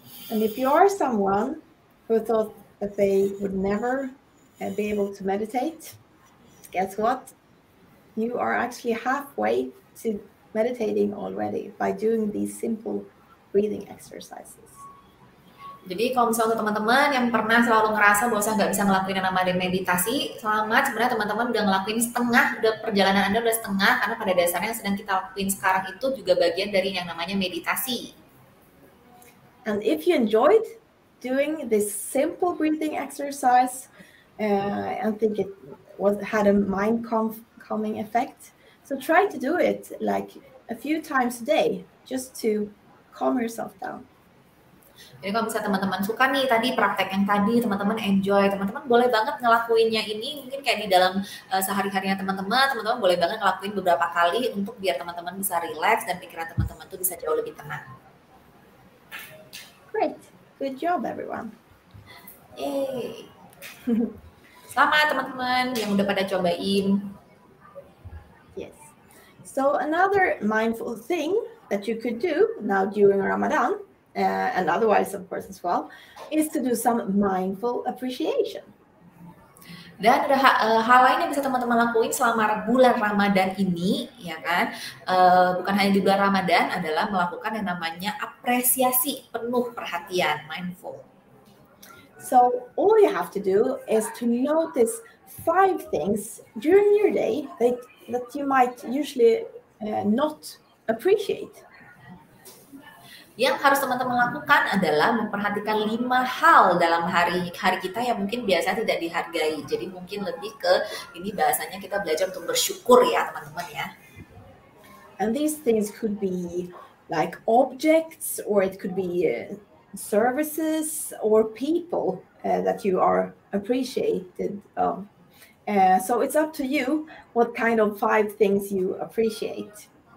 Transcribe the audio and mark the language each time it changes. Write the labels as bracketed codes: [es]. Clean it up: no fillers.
[en] And if you are someone who thought that they would never be able to meditate, guess what? You are actually halfway to meditating already by doing these simple breathing exercises. [id] Jadi kalau misalnya untuk teman-teman yang pernah selalu ngerasa bahwa saya nggak bisa ngelakuin yang namanya meditasi, selamat, sebenarnya teman-teman udah ngelakuin setengah, udah perjalanan Anda udah setengah, karena pada dasarnya yang sedang kita lakuin sekarang itu juga bagian dari yang namanya meditasi. [en] And if you enjoyed doing this simple breathing exercise and think it was had a mind calming effect, so try to do it like a few times a day, just to calm yourself down. [id] Jadi kalau misalnya teman-teman suka nih tadi praktek yang tadi, teman-teman enjoy, teman-teman boleh banget ngelakuinnya ini, mungkin kayak di dalam sehari-harinya teman-teman, teman-teman boleh banget ngelakuin beberapa kali untuk biar teman-teman bisa relax dan pikiran teman-teman tuh bisa jauh lebih tenang. [en] Great, good job everyone. [id] Yay. Selamat teman-teman yang udah pada cobain. [en] So another mindful thing that you could do now during Ramadan, and otherwise of course as well, is to do some mindful appreciation. [id] Dan ada hal lain yang bisa teman-teman lakuin selama bulan Ramadan ini, ya kan? Bukan hanya di bulan Ramadan, adalah melakukan yang namanya apresiasi penuh perhatian, mindful. [en] So all you have to do is to notice five things during your day that you might usually not appreciate. [id] Yang harus teman-teman lakukan adalah memperhatikan 5 hal dalam hari kita yang mungkin biasa tidak dihargai. Jadi mungkin lebih ke ini bahasanya kita belajar untuk bersyukur ya teman-teman ya. [en] And these things could be like objects, or it could be services or people that you are appreciated of. So it's up to you what kind of 5 things you appreciate.